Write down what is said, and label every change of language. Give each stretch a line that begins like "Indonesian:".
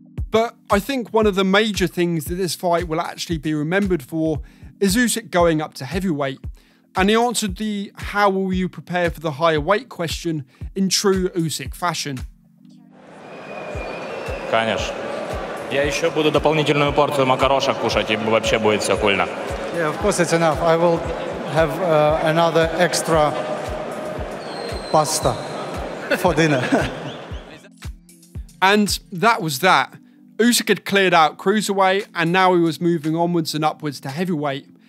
English: But I think one of the major things that this fight will actually be remembered for is Usyk going up to heavyweight. And he answered the how will you prepare for the higher weight question in true Usyk fashion.
Russian: Конечно. Я ещё буду дополнительную порцию макарошек кушать, и вообще будет всё кульно.
English: Yeah, of course it's enough. I will have another extra pasta for dinner. And that was that. Usyk had cleared out cruiserweight and now he was moving onwards and upwards to heavyweight.